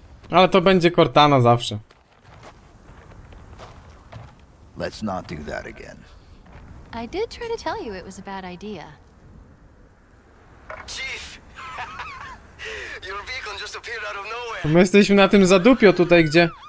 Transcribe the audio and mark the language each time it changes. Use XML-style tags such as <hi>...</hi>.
<pl>Ale to będzie Cortana zawsze.</pl> <en>Let's not do that again. I did try to tell you it was a bad idea. Chief! Your beacon just appeared out of nowhere.</en> <pl>My jesteśmy na tym zadupio tutaj, gdzie?</pl>